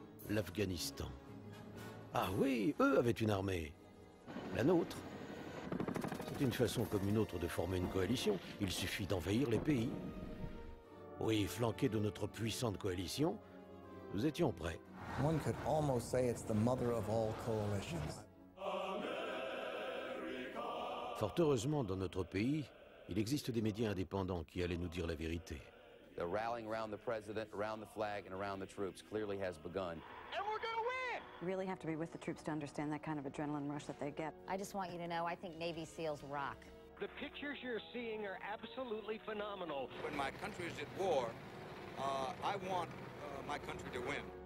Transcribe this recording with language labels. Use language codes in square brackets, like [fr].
[fr] L'Afghanistan. Ah oui, eux avaient une armée. La nôtre. C'est une façon comme une autre de former une coalition. Il suffit d'envahir les pays. Oui, flanqués de notre puissante coalition, nous étions prêts. [en] One could almost say it's the mother of all coalitions. [fr] Fort heureusement, dans notre pays, il existe des médias indépendants qui allaient nous dire la vérité. [en] The rallying around the president, around the flag, and around the troops clearly has begun. And we're gonna win! You really have to be with the troops to understand that kind of adrenaline rush that they get. I just want you to know, I think Navy SEALs rock. The pictures you're seeing are absolutely phenomenal. When my country is at war, I want my country to win.